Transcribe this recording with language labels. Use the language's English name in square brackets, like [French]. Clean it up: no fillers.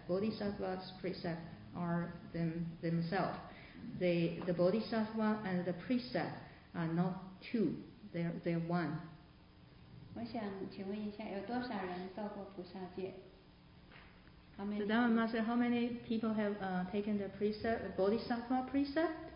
[English] Bodhisattvas precept are themselves. The bodhisattva and the precept are not two. They're one. [Chinese] 我想请问一下，有多少人到过菩萨界？ [English] How many? The Dhamma Master, how many people have taken the precept, the bodhisattva precept?